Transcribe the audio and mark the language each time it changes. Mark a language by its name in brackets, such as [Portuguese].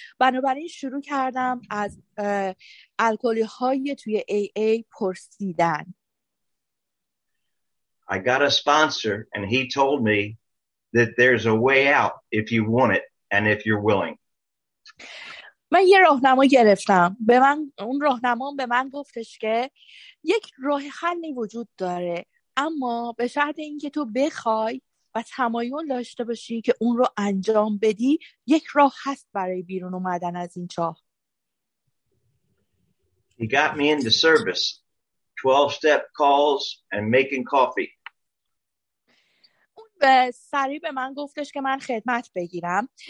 [Persian] بنابراین شروع کردم از الکلی های توی AA پرسیدن. [English] I got a sponsor and he told me that there's a way out if you want it and if you're willing. [Persian] من یه راهنما گرفتم. به من اون راهنما به من گفتش که یک راه حلی وجود داره اما به شرط اینکه تو بخوای و تمایل داشته باشی که اون رو انجام بدی یک راه هست برای بیرون اومدن از این چاه. [English] He got me into service. 12 step calls and making coffee. [Persian] اون به سری به من گفتش که من خدمت بگیرم.